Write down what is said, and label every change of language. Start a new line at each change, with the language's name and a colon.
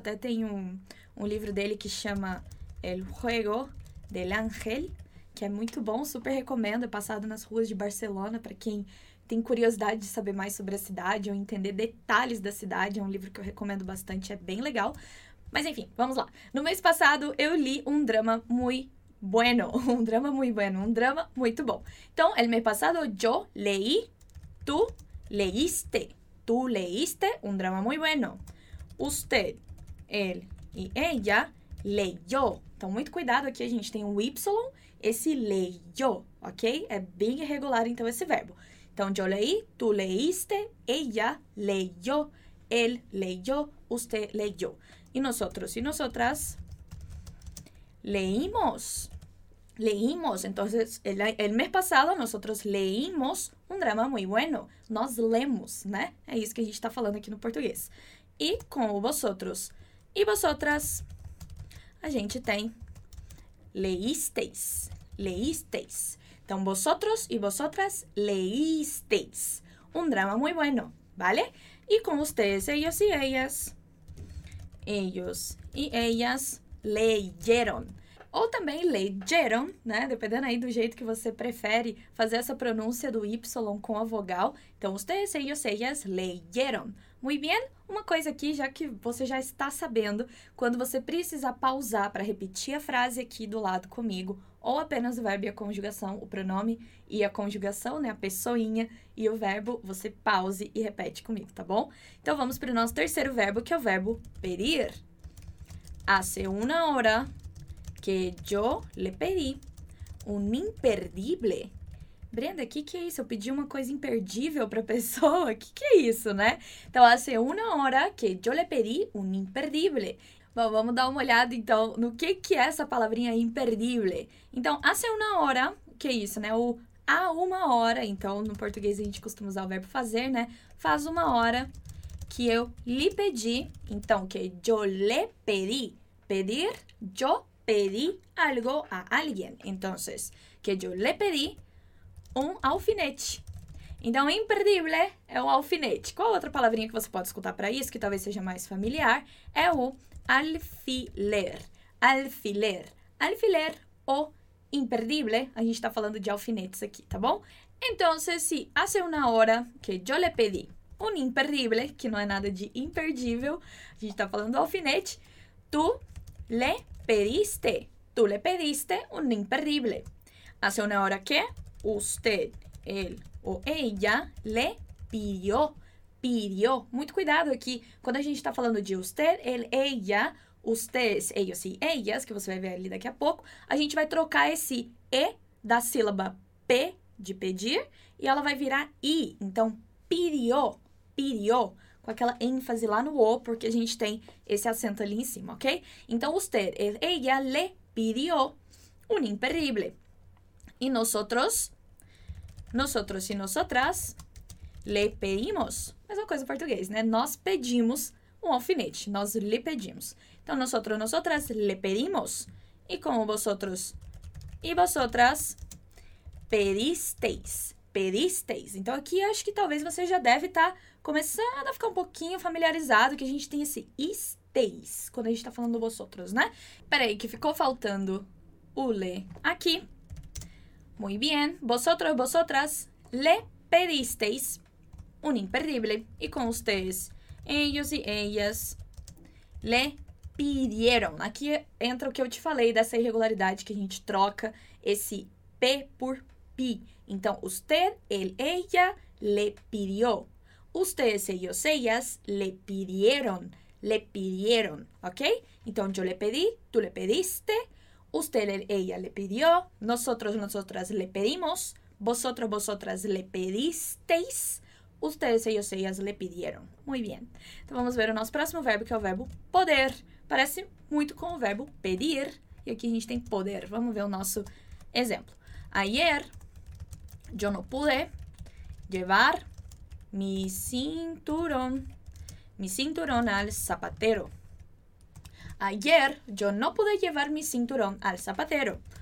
Portuguese: Até tem um livro dele que chama El Juego del Ángel, que é muito bom, super recomendo. É passado nas ruas de Barcelona, para quem tem curiosidade de saber mais sobre a cidade ou entender detalhes da cidade. É um livro que eu recomendo bastante, é bem legal. Mas enfim, vamos lá. No mês passado, eu li um drama muito bueno, um drama muito bueno, um drama muito bom.
Spanish: Então, el mes pasado, yo leí, tú leíste un drama muy bueno. Usted, él y ella leyó.
Portuguese: Então, muito cuidado aqui, a gente tem o Y, esse leyó, ok? É bem irregular, então, esse verbo.
Spanish: Então, yo leí, tú leíste, ella leyó, él leyó, usted leyó. E nosotros y nosotras leímos. Leímos, entonces, el mes pasado nosotros leímos un drama muy bueno.
Portuguese: Nós lemos, né? É isso que a gente tá falando aqui no português. E com vosotros e vosotras, a gente tem leísteis, leísteis.
Spanish: Então, vosotros e vosotras leísteis un drama muy bueno, ¿vale? E com ustedes, ellos y ellas, ellos y ellas leyeron.
Portuguese: Ou também leyeron, né? Dependendo aí do jeito que você prefere fazer essa pronúncia do Y com a vogal. Então,
Spanish: ustedes, ellos, ellas leyeron. Muy bien.
Portuguese: Uma coisa aqui, já que você já está sabendo, quando você precisa pausar para repetir a frase aqui do lado comigo, ou apenas o verbo e a conjugação, o pronome e a conjugação, né? A pessoinha e o verbo, você pause e repete comigo, tá bom? Então, vamos para o nosso terceiro verbo, que é o verbo pedir.
Spanish: Hace una hora que yo le pedí un imperdible.
Portuguese: Brenda, o que, que é isso? Eu pedi uma coisa imperdível para a pessoa? O que, que é isso, né?
Spanish: Então, hace una hora que yo le pedí un imperdible.
Portuguese: Bom, vamos dar uma olhada, então, no que é essa palavrinha imperdible. Então, hace una hora, que é isso, né? O há uma hora, então, no português a gente costuma usar o verbo fazer, né? Faz uma hora que eu lhe pedi, então,
Spanish: que yo le pedí. Pedir, yo pedí algo a alguien. Entonces, que yo le pedí un alfinete.
Portuguese: Então, imperdible é o alfinete. Qual outra palavrinha que você pode escutar para isso, que talvez seja mais familiar? É o alfiler. Alfiler. Alfiler ou imperdible. A gente está falando de alfinetes aqui, tá bom?
Spanish: Entonces, si hace una hora que yo le pedí un imperdible,
Portuguese: que não é nada de imperdível, a gente está falando do alfinete,
Spanish: tú le pediste. Tú le pediste un imperdible. Hace una hora que usted, él o ella le pidió.
Portuguese: Pidió. Muito cuidado aqui. Quando a gente está falando de usted, él, ella, ustedes, ellos e ellas, que você vai ver ali daqui a pouco, a gente vai trocar esse E da sílaba P de pedir e ela vai virar I. Então, pidió. Pidió. Com aquela ênfase lá no O, porque a gente tem esse acento ali em cima, ok?
Spanish: Então, usted, ella, le pidió un imperdible. E nosotros y nosotras, le pedimos.
Portuguese: Mesma coisa em português, né? Nós pedimos um alfinete, nós le pedimos.
Spanish: Então, nosotros, nosotras, le pedimos. E como vosotros e vosotras, pedisteis. Pedisteis.
Portuguese: Então, aqui acho que talvez você já deve estar começando a ficar um pouquinho familiarizado que a gente tem esse isteis quando a gente está falando vosotros, né? Peraí, que ficou faltando o le aqui.
Spanish: Muy bien. Vosotros, vosotras, le pedisteis un imperdible. E com ustedes, ellos y ellas, le pidieron.
Portuguese: Aqui entra o que eu te falei dessa irregularidade que a gente troca esse P por pi.
Spanish: Então, usted, él, ella, le pidió. Ustedes, ellos, ellas, le pidieron, ¿ok? Então, yo le pedí, tú le pediste, usted, él, ella, le pidió, nosotros, nosotras, le pedimos, vosotros, vosotras, le pedisteis, Ustedes, ellos, ellas le pidieron. Muy bien.
Portuguese: Então, vamos ver o nosso próximo verbo, que é o verbo poder. Parece muito com o verbo pedir. E aqui a gente tem poder. Vamos ver o nosso exemplo.
Spanish: Ayer, yo no pude llevar mi cinturón al zapatero. Ayer, yo no pude llevar mi cinturón al zapatero.